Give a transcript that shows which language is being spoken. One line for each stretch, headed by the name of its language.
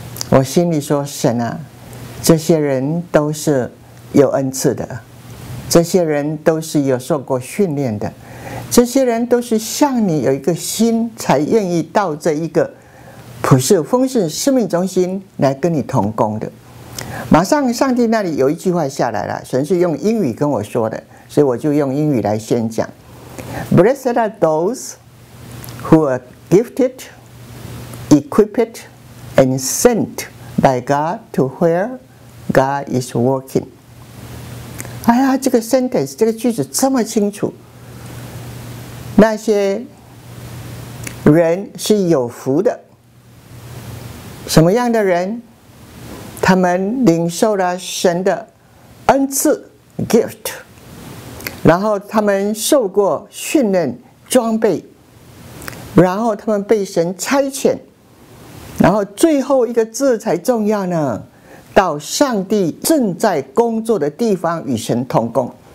Chinese: 我心里说，神啊，这些人都是有恩赐的，这些人都是有受过训练的，这些人都是像你有一个心才愿意到这一个普世丰盛生命中心来跟你同工的。马上上帝那里有一句话下来了，神是用英语跟我说的，所以我就用英语来先讲。
English: Blessed are those who are gifted, equipped and sent by God to where God is working.
Chinese: 哎呀，这个 sentence, 这个句子这么清楚，那些人是有福的。什么样的人？他们领受了神的恩赐 gift， 然后他们受过训练装备，然后他们被神差遣，然后最后一个字才重要呢，到上帝正在工作的地方与神同工。